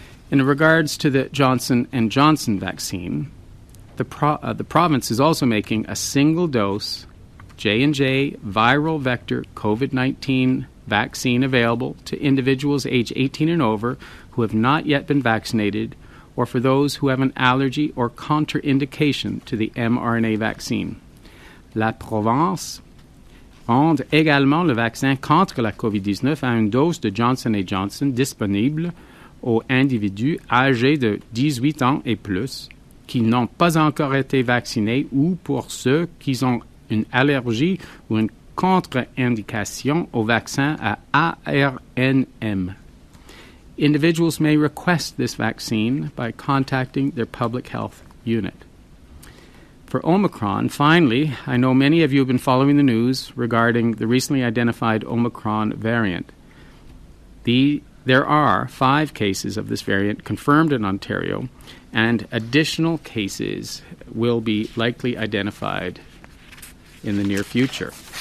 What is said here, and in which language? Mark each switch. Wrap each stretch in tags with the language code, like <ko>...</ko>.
<en>In regards to the Johnson & Johnson vaccine, the province is also making a single-dose J&J viral vector COVID-19 vaccine available to individuals age 18 and over who have not yet been vaccinated, or for those who have an allergy or contraindication to the mRNA vaccine.</en> <fr>La Provence rend également le vaccin contre la COVID-19 à une dose de Johnson & Johnson disponible aux individus âgés de 18 ans et plus qui n'ont pas encore été vaccinés ou pour ceux qui ont une allergie ou une contre-indication au vaccin à ARNm.</fr> <en>Individuals may request this vaccine by contacting their public health unit. For Omicron, finally, I know many of you have been following the news regarding the recently identified Omicron variant. There are 5 cases of this variant confirmed in Ontario, and additional cases will be likely identified in the near future.</en>